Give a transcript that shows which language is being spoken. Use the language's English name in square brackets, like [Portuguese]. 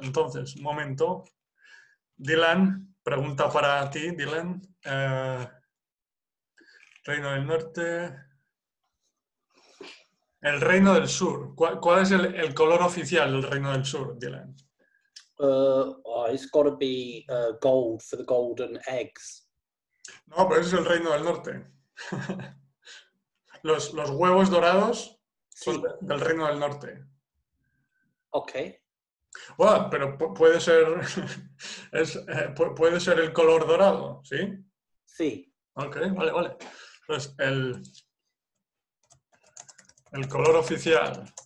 [Spanish] Entonces, un momento. Dylan, pregunta para ti, Dylan. Reino del Norte. El Reino del Sur. ¿Cuál es el color oficial del Reino del Sur, Dylan? [English] It's got to be gold for the golden eggs. [Spanish] No, pero es el Reino del Norte. los huevos dorados son, sí, del Reino del Norte. [English] Okay. [Spanish] Bueno, pero puede ser el color dorado, ¿sí? Sí. Okay, vale. Entonces, el color oficial